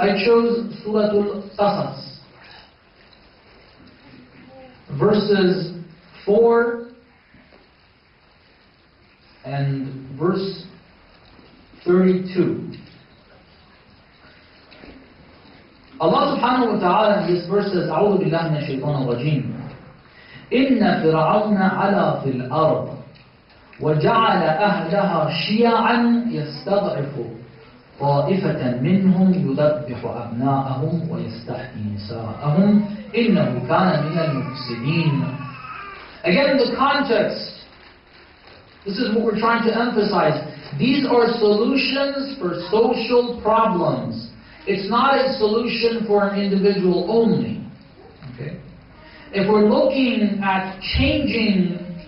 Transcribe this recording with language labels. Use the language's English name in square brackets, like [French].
[English] I chose Surah Al-Qasas, verses 4 and verse 32. Allah subhanahu wa ta'ala in this verse says, [Arabic] أعوذ بالله من الشيطان الرجيم. إن فرعون على في الأرض وجعل أهلها شيعا يستضعف طائفة منهم يذبح أبناءهم ويستحيي نساءهم إنه كان من المفسدين. [English] Again, the context. This is what we're trying to emphasize. These are solutions for social problems. It's not a solution for an individual only. Okay? If we're looking at changing